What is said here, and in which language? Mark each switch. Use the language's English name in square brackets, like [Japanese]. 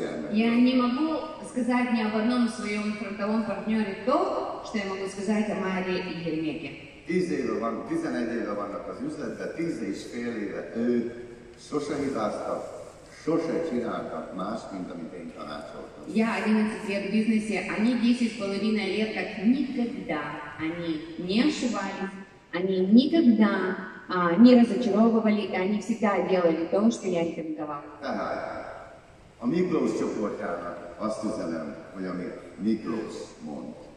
[Russian] Я не могу сказать ни об одном своем фронтовом партнере то, что я могу сказать о Майре и Ермеке. [Hungarian] 11 éve vannak az üzletben, 10 és fél éve ők sose hibáztak, sose csináltak más, mint amit én tanácsoltam. [Russian] Я 11 лет в бизнесе, они 10,5 лет, как никогда они не ошибались, они никогда не разочаровывали, они всегда делали то, что я им давал. [Hungarian] Tehát, a Miklós csoportjának azt üzenem, hogy amit Miklós mond.